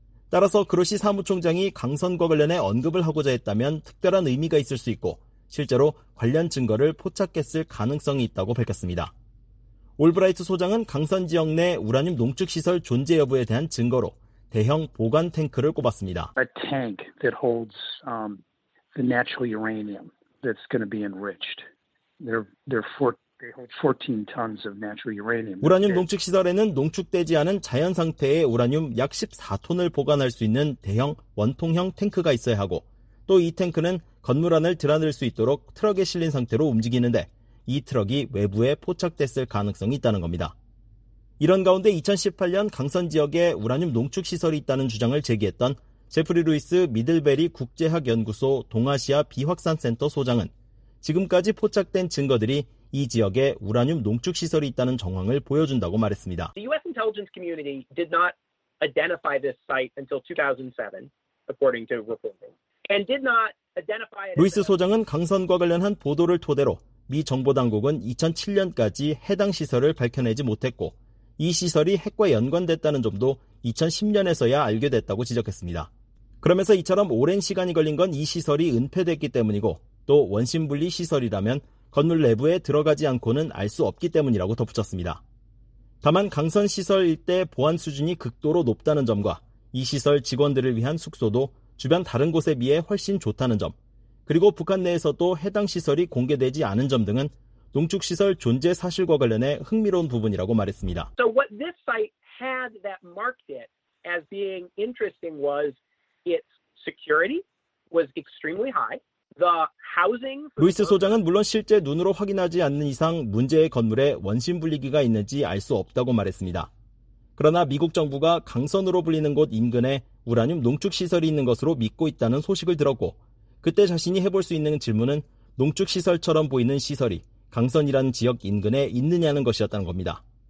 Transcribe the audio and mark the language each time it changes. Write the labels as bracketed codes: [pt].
[ko] 따라서 그로시 사무총장이 강선과 관련해 언급을 하고자 했다면 특별한 의미가 있을 수 있고 실제로 관련 증거를 포착했을 가능성이 있다고 밝혔습니다. 올브라이트 소장은 강선 지역 내 우라늄 농축시설 존재 여부에 대한 증거로 대형 보관 탱크를 꼽았습니다. [en] A tank that holds the natural uranium that's going to be enriched. They hold 14 tons of natural uranium. [ko] 우라늄 농축 시설에는 농축되지 않은 자연 상태의 우라늄 약 14톤을 보관할 수 있는 대형 원통형 탱크가 있어야 하고 또 이 탱크는 건물 안을 드러낼 수 있도록 트럭에 실린 상태로 움직이는데 이 트럭이 외부에 포착됐을 가능성이 있다는 겁니다. 이런 가운데 2018년 강선 지역에 우라늄 농축 시설이 있다는 주장을 제기했던 제프리 루이스 미들베리 국제학연구소 동아시아 비확산센터 소장은 지금까지 포착된 증거들이 이 지역에 우라늄 농축 시설이 있다는 정황을 보여준다고 말했습니다. [en] The U.S. intelligence community did not identify this site until 2007, according to reporting, and did not identify it. [ko] 루이스 소장은 강선과 관련한 보도를 토대로 미 정보 당국은 2007년까지 해당 시설을 밝혀내지 못했고 이 시설이 핵과 연관됐다는 점도 2010년에서야 알게 됐다고 지적했습니다. 그러면서 이처럼 오랜 시간이 걸린 건 이 시설이 은폐됐기 때문이고 또 원심 분리 시설이라면 건물 내부에 들어가지 않고는 알 수 없기 때문이라고 덧붙였습니다. 다만 강선 시설일 때 보안 수준이 극도로 높다는 점과 이 시설 직원들을 위한 숙소도 주변 다른 곳에 비해 훨씬 좋다는 점, 그리고 북한 내에서도 해당 시설이 공개되지 않은 점 등은 농축시설 존재 사실과 관련해 흥미로운 부분이라고 말했습니다. [en] So what this site had that marked it as being interesting was its security was extremely high. The housing. [ko] 루이스 소장은 물론 실제 눈으로 확인하지 않는 이상 문제의 건물에 원심 분리기가 있는지 알 수 없다고 말했습니다. 그러나 미국 정부가 강선으로 불리는 곳 인근에 우라늄 농축시설이 있는 것으로 믿고 있다는 소식을 들었고 그때 자신이 해볼 수 있는 질문은 농축시설처럼 보이는 시설이 강선이라는 지역 인근에 있느냐는 것이었다는 겁니다.